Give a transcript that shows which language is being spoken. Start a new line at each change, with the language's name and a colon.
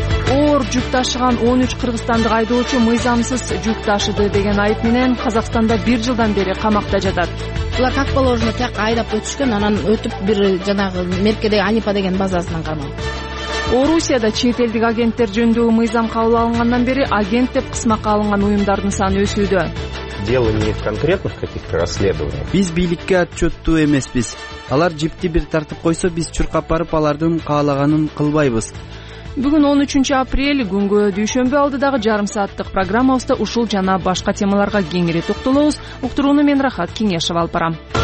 Kyrgyz: Оор жүк ташыган 13 кыргызстандык айдоочу мыйзамсыз жүк ташыды деген айып менен Казакстанда 1 жылдан бери камакта жатат. Булар
Russian: как положено
Kyrgyz: так айдап өтүшкөн, анан өтүп бир жанагы Меркедеги Анипа деген базасынан камалган. Орусияда чет элдик агенттер жөндөгү мыйзам кабыл алынгандан бери агент деп кысмакка алынган уюмдардын саны өсүүдө.
Russian: Дело не в конкретных каких-то расследованиях.
Kyrgyz: Биз бийликке отчеттүү эмеспиз. Алар жипти бир тартып койсо, биз чуркап барып алардын каалаганын кылбайбыз. Бүгүн 13 апрель күнгө дүйшөмбү алдыдагы жарым сааттык программабызда ушул жана башка темаларга кеңири токтолобуз. Уктурууну мен Рахат Кеңешов алып барам.